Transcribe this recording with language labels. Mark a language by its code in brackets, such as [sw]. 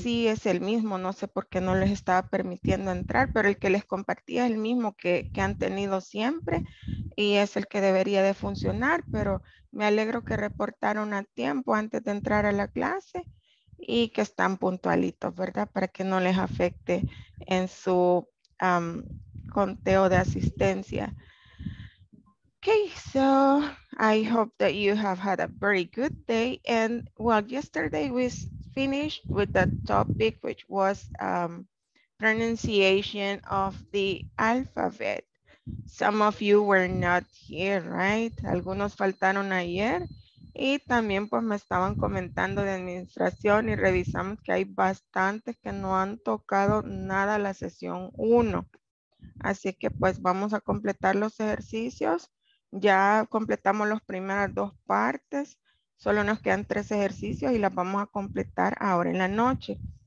[es] Sí, es el mismo, no sé por qué no les estaba permitiendo entrar, pero el que les compartía es el mismo que han tenido siempre y es el que debería de funcionar, pero me alegro que reportaron a tiempo antes de entrar a la clase y que están puntualitos, ¿verdad? Para que no les afecte en su conteo de asistencia. [en] Okay, so I hope that you have had a very good day. And well, yesterday we finished with the topic, which was pronunciation of the alphabet. Some of you were not here, right? [es] Algunos faltaron ayer. Y también pues me estaban comentando de administración y revisamos que hay bastantes que no han tocado nada la sesión 1. Así que pues vamos a completar los ejercicios. Ya completamos las primeras dos partes, solo nos quedan tres ejercicios y las vamos a completar ahora en la noche.